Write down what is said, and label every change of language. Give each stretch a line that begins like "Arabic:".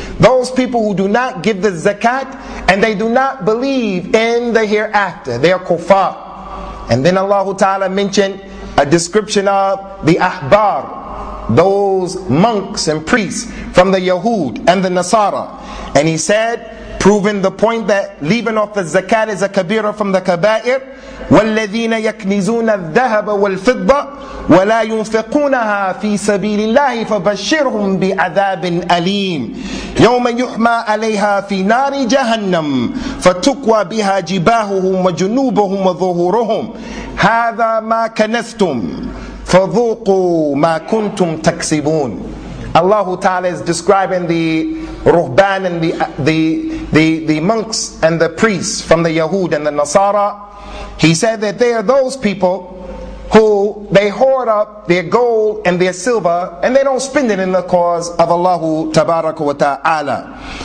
English: Those people who do not give the zakat, and they do not believe in the hereafter. They are kuffar. And then Allah Ta'ala mentioned a description of the ahbar, those monks and priests from the Yahud and the Nasara. And he said, proving the point that leaving off the zakat is a kabira from the kabair,
Arabic: وَالَّذِينَ يَكْنِزُونَ الذَّهَبَ وَالْفِضَّةِ وَلَا يُنْفِقُونَهَا فِي سَبِيلِ اللَّهِ فَبَشِّرْهُمْ بِعَذَابٍ أَلِيمٍ يَوْمَ يُحْمَى عَلَيْهَا فِي نَارِ جَهَنَّمْ فَتُكْوَى بِهَا جِبَاهُهُمْ وَجُنُوبُهُمْ وَظُهُورُهُمْ هَذَا مَا كَنَزْتُمْ فَذُوقُوا مَا كُنْتُمْ تَكْسِبُونَ.
English: Allah Ta'ala is describing the ruhban and the monks and the priests from the Yahud and the Nasara. He said that they are those people who they hoard up their gold and their silver, and they don't spend it in the cause of Allah Tabaraka wa Ta'ala.